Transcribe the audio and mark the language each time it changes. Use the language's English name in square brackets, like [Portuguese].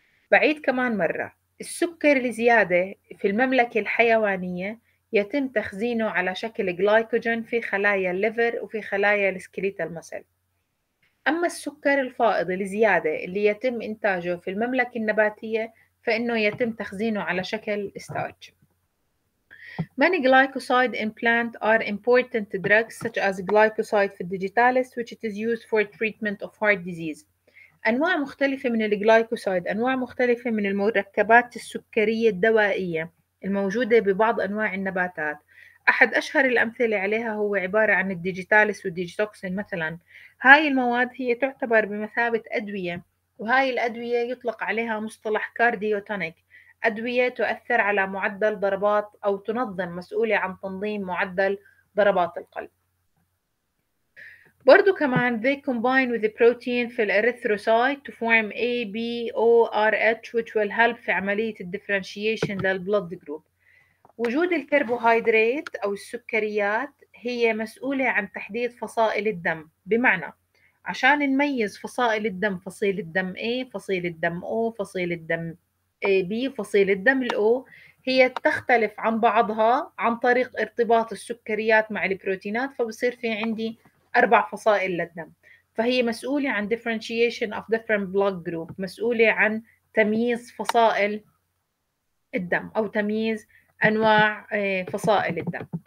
[Arabic] بعيد كمان مرة، السكر الزيادة في المملكة الحيوانية يتم تخزينه على شكل جلايكوجين في خلايا الليفر وفي خلايا السكليت المسل. أما السكر الفائض الزيادة اللي يتم إنتاجه في المملكة النباتية فإنه يتم تخزينه على شكل ستارج. [English] Many glycoside implants are important drugs such as glycoside for digitalis which it is used for treatment of heart disease. [Arabic] أنواع مختلفة من الجلايكوسايد، أنواع مختلفة من المركبات السكرية الدوائية الموجودة ببعض أنواع النباتات، أحد أشهر الأمثلة عليها هو عبارة عن الديجيتاليس والديجيتوكسين مثلا، هاي المواد هي تعتبر بمثابة أدوية، وهاي الأدوية يطلق عليها مصطلح كارديوتونيك، أدوية تؤثر على معدل ضربات أو تنظم، مسؤولة عن تنظيم معدل ضربات القلب. برضو كمان [English] they combine with the protein [Arabic] في الأريثروسايت [English] to form ABORH which will help [Arabic] في عملية الدفرنشيشن للبلد جروب. وجود الكربوهيدرات أو السكريات هي مسؤولة عن تحديد فصائل الدم، بمعنى عشان نميز فصائل الدم، فصيل الدم A، فصيل الدم O، فصيل الدم AB، فصيل الدم O، هي تختلف عن بعضها عن طريق ارتباط السكريات مع البروتينات، فبصير في عندي أربع فصائل للدم، فهي مسؤولة عن [English] differentiation of different blood group، [Arabic] مسؤولة عن تمييز فصائل الدم أو تمييز أنواع فصائل الدم.